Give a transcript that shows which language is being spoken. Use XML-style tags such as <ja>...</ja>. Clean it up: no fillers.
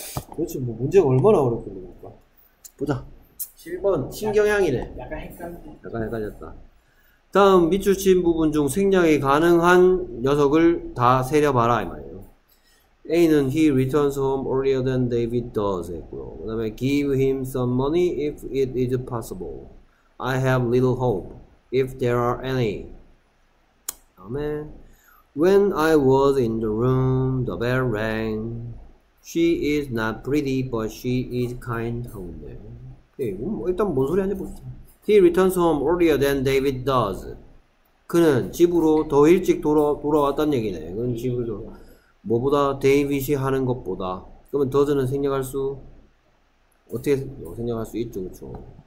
<ko>도대체 뭐 문제가 얼마나 어렵겠습니까? 보자. 7번 신경향이네. 약간 헷갈렸다. 약간 헷갈렸다. 다음 미추친 부분 중 생략이 가능한 녀석을 다 세려봐라 이 말이에요. A는</ko> <en>he returns home earlier than David does</en> <ko>했고요. 그 다음에</ko> <en>give him some money if it is possible. I have little hope if there are any.</en> <ko>다음에</ko> <en>when I was in the room, the bell rang. She is not pretty, but she is kind.</en> <ko>네, 일단 뭔 소리 하는지 보세요.</ko> <en>He returns home earlier than David does.</en> <ko>그는 집으로 더 일찍 돌아왔다는 얘기네. 그는 집으로 뭐보다 데이빗이 하는 것보다. 그러면 does는 생략할 수 어떻게 생략할 수 있죠, 그렇죠?</ko>